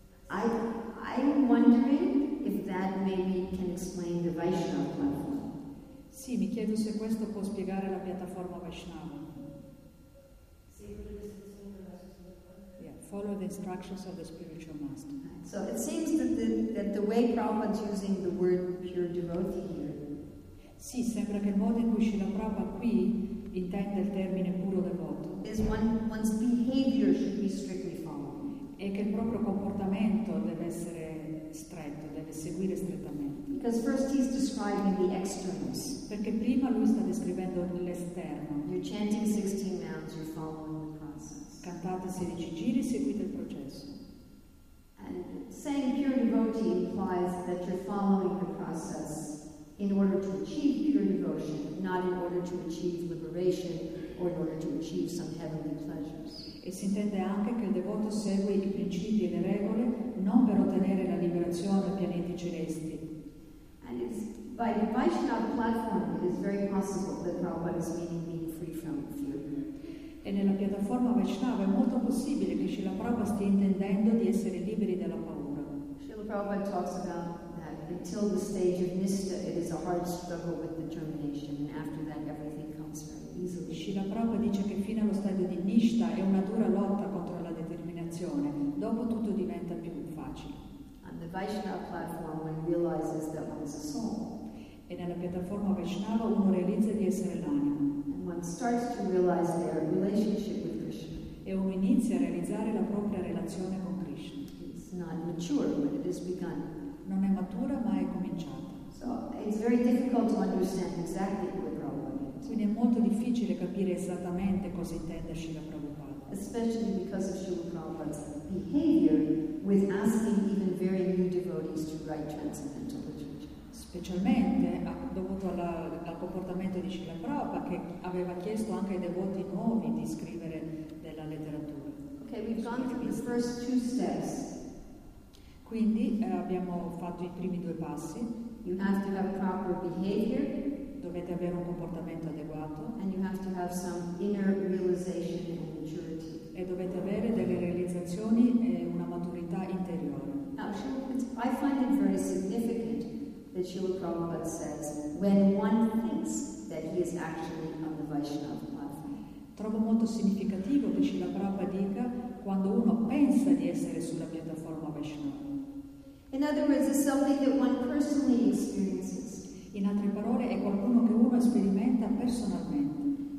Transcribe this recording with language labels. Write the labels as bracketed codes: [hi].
[en] I'm wondering if that maybe can explain the Vaishnava platform. [it] Sì, mi chiedo se questo può spiegare la piattaforma Vaishnava. [en] Follow the instructions of the spiritual master. So it seems that the way Prabhupada's using the word pure devotee here. [it] Sì, sembra che il modo in cui Srila Prabhupada qui intende il termine puro devoto. [en] Is one's behavior should be strictly followed. [it] E che il proprio comportamento deve essere stretto, deve seguire strettamente. [en] Because first he's describing the externals. [it] Perché prima lui sta descrivendo l'esterno. [en] You're chanting 16 mounds, you're following the process. [it] Cantate 16 giri, seguite il processo. [en] And saying pure devotee implies that you're following the process in order to achieve pure devotion, not in order to achieve liberation or in order to achieve some heavenly pleasures. [it] E si intende anche che il devoto segue i principi e le regole non per ottenere la liberazione dei pianeti celesti. [en] And it's by the Vaishnava platform it is very possible that Prabhupada is meaning being free from fear. [it] E nella piattaforma Vaishnava è molto possibile che Srila Prabhupada stia intendendo di essere liberi dalla paura. [en] Srila Prabhupada talks about that until the stage of nista, it is a hard struggle with determination, and after that, everything comes very easily. [it] Srila Prabhupada dice che fino allo stadio di nista è una dura lotta contro la determinazione. Dopo tutto diventa più facile. [en] On the Vaishnava platform, one realizes that one is a soul. [it] E nella piattaforma Vaishnava uno realizza di essere l'anima. [en] And one starts to realize their relationship with Krishna. [it] E uno inizia a realizzare la propria relazione con Krishna. [en] It's not mature, but it is begun. [it] Non è matura, ma è cominciata. [en] So it's very difficult to understand exactly what Prabhupada means. [it] Quindi è molto difficile capire esattamente cosa intende Srila Prabhupada. [en] Especially because of Srila Prabhupada's behavior with asking even very new devotees to write transcendental literature. [it] Specialmente dovuto al comportamento di Srila Prabhupada, che aveva chiesto anche ai devoti nuovi di scrivere della letteratura. [en] Okay, we've gone through the first two steps. [it] Quindi abbiamo fatto i primi due passi. [en] You have to have proper behavior. [it] Dovete avere un comportamento adeguato. [en] And you have to have some inner realization and maturity. [it] E dovete avere delle realizzazioni e una maturità interiore. [en] Now, I find it very significant that Srila Prabhupada says when one thinks that he is actually on the Vaishnava platform. [it] Trovo molto significativo che Srila Prabhupada dica quando uno pensa di essere sulla piattaforma Vaishnava. [en] In other words, it's something that one personally experiences. [it] In altre parole, è qualcuno che uno sperimenta personalmente.